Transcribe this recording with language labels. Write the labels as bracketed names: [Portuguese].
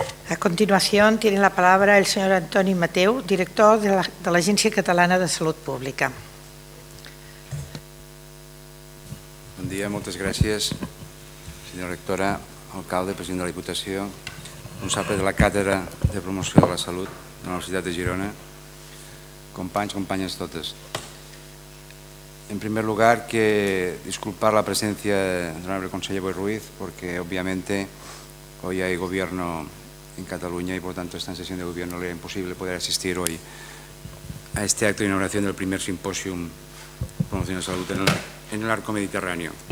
[Spanish] A continuación, tiene la palabra el señor Antoni Mateu, director de la Agencia Catalana de Salud Pública. [Catalan] Bon dia, moltes gràcies, senyora rectora, alcalde, president de la Diputació, responsable de la Càtedra de Promoció de la Salut de la Universitat de Girona, companys, companyes totes. [Spanish] En primer lugar, que disculpar la presencia del honorable conseller Boi Ruiz, porque obviamente hoy hay gobierno en Cataluña y por tanto esta sesión de gobierno le era imposible poder asistir hoy a este acto de inauguración del primer simposio de promoción de salud en el arco mediterráneo.